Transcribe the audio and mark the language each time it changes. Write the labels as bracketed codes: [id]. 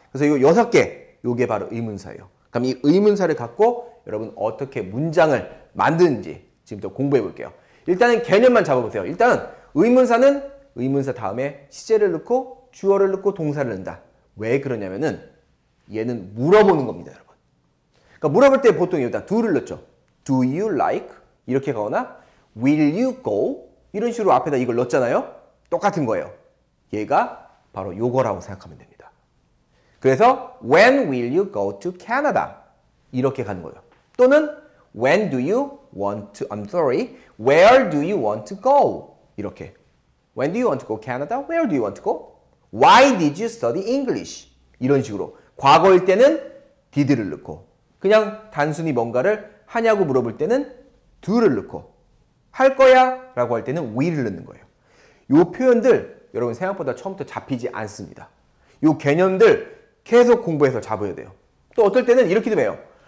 [ko] 그래서 이거 여섯 개, 이게 바로 의문사예요. 그럼 이 의문사를 갖고 여러분 어떻게 문장을 만드는지 지금부터 공부해 볼게요. 일단은 개념만 잡아보세요. 일단은 의문사는 의문사 다음에 시제를 넣고 주어를 넣고 동사를 넣는다. 왜 그러냐면은 얘는 물어보는 겁니다, 여러분. 그러니까 물어볼 때 보통 여기다 do를 넣죠. [en] Do you like? [ko] 이렇게 가거나 [en] Will you go? [ko] 이런 식으로 앞에다 이걸 넣잖아요. 똑같은 거예요. 얘가 바로 요거라고 생각하면 됩니다. 그래서 [en] When will you go to Canada? [ko] 이렇게 가는 거예요. [en] 또는 When do you want to, I'm sorry, Where do you want to go? [ko] 이렇게 [en] When do you want to go to Canada? Where do you want to go? Why did you study English? [ko] 이런 식으로 과거일 때는 did를 넣고 그냥 단순히 뭔가를 하냐고 물어볼 때는 do를 넣고 할 거야? 라고 할 때는 will을 넣는 거예요. 요 표현들 여러분 생각보다 처음부터 잡히지 않습니다. 요 개념들 계속 공부해서 잡아야 돼요. 또 어떨 때는 이렇게도 해요.